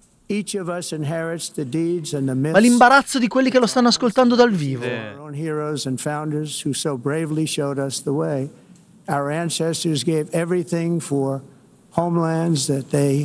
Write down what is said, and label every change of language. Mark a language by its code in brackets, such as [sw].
[en] Each of us inherits the deeds and the myths. [it] Ma l'imbarazzo di quelli che lo stanno ascoltando dal vivo. [en] Our own heroes and founders who so bravely showed us the way. Our ancestors gave everything for homelands that they.